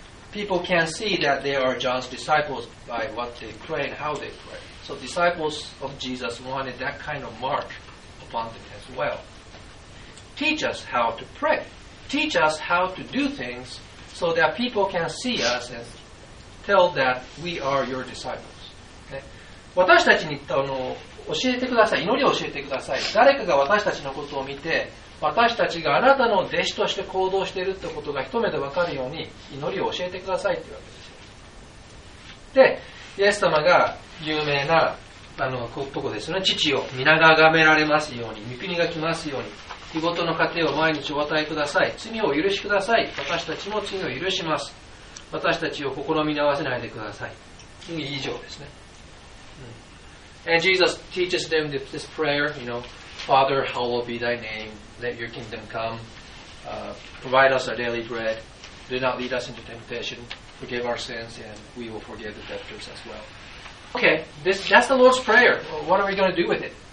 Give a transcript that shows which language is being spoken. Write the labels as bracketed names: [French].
[English] People can see that they are John's disciples by what they pray and how they pray. So disciples of Jesus wanted that kind of mark as well. Teach us how to pray. Teach us how to do things so that people can see us and tell that we are your disciples. Okay? [Japanese] 私たちに教えてください、祈りを教えてください。誰かが私たちのことを見て、私たちがあなたの弟子として行動しているということが一目で分かるように祈りを教えてくださいというわけです。で、イエス様が有名なここですね、父を皆が崇められますように、御国が来ますように、日ごとの糧を毎日お与えください、罪を許しください、私たちも罪を許します、私たちを試み合わせないでください、以上ですね。 [English] And Jesus teaches them this prayer, you know, Father, hallowed be thy name, let your kingdom come, provide us our daily bread, do not lead us into temptation, forgive our sins, and we will forgive the debtors as wellOkay, that's the Lord's Prayer. What are we going to do with it?